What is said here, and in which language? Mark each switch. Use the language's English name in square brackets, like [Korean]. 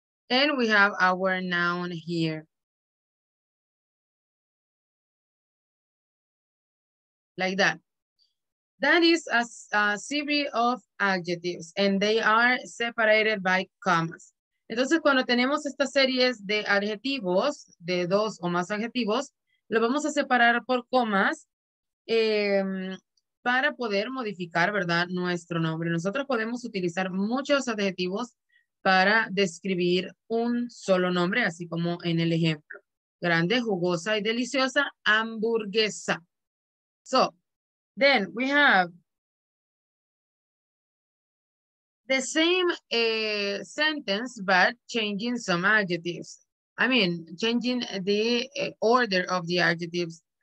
[English] And we have our noun here. Like that. That is a series of adjectives and they are separated by commas. [Spanish] Entonces, cuando tenemos estas series de adjetivos, de dos o más adjetivos, lo vamos a separar por comas para poder modificar, ¿verdad?, nuestro nombre. Nosotros podemos utilizar muchos adjetivos para describir un solo nombre, así como en el ejemplo. Grande, jugosa y deliciosa, hamburguesa. [English] So, then we have the same sentence, but changing some adjectives. I mean, changing the order of the adjectives.